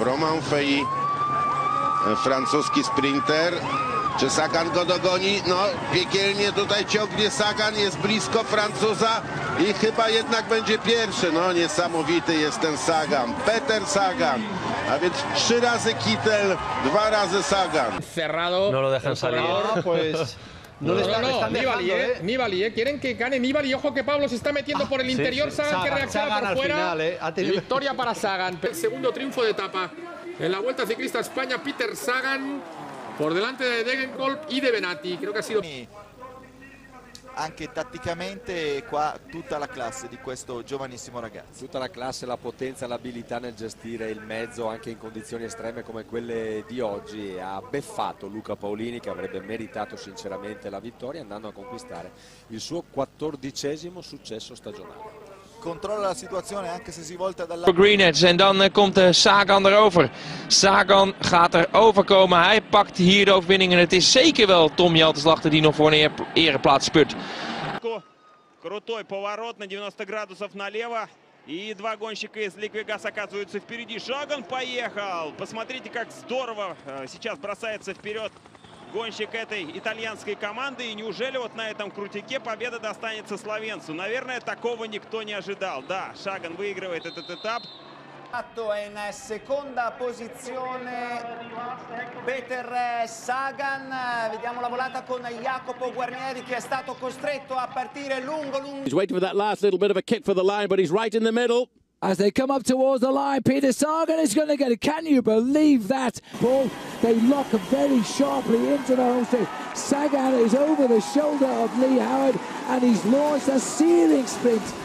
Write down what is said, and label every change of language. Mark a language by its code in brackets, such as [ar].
[pl] Romain Feji, francuski sprinter. Czy Sagan go dogoni? No, piekielnie tutaj ciągnie Sagan, jest blisko Francuza i chyba jednak będzie pierwszy. No, niesamowity jest ten Sagan. Peter Sagan. A więc trzy razy kitel, dwa razy Sagan. [es] Ferrado. No lo dejan salir. No, no, no, no, Nibali, Nibali, quieren que gane Nibali, ojo que Pablo se está metiendo por el interior, sí, sí. Sagan que reacciona por fuera, final, tenido... victoria para Sagan. El segundo triunfo de etapa en la Vuelta Ciclista a España, Peter Sagan por delante de Degenkolb y de Benati, creo que ha sido... [it] Anche tatticamente qua tutta la classe di questo giovanissimo ragazzo. Tutta la classe, la potenza, l'abilità nel gestire il mezzo anche in condizioni estreme come quelle di oggi ha beffato Luca Paolini che avrebbe meritato sinceramente la vittoria andando a conquistare il suo 14° successo stagionale. controlla la situazione anche se si volta dalla [nl] green edge en dan komt Sagan erover. Sagan gaat er overkomen. Hij pakt hier de overwinning en het is zeker wel Tom Jalteslachter die nog voor een ereplaats spurt. [ru] Крутой поворот на 90 градусов налево. И два гонщика из Ликвигас оказываются впереди. Шаган поехал. Посмотрите, как здорово сейчас бросается вперед гонщик этой итальянской команды. И неужели вот на этом крутяке победа достанется словенцу? Наверное, такого никто не ожидал. Да, Шаган выигрывает этот этап. [it] In seconda posizione Peter Sagan, vediamo la volata con Jacopo Guarnieri che è stato costretto a partire lungo lungo. [en] He's waiting for that last little bit of a kick for the line, but he's right in the middle. As they come up towards the line, Peter Sagan is going to get it. Can you believe that? Well, they lock very sharply into the hosting. Sagan is over the shoulder of Lee Howard and he's launched a searing sprint.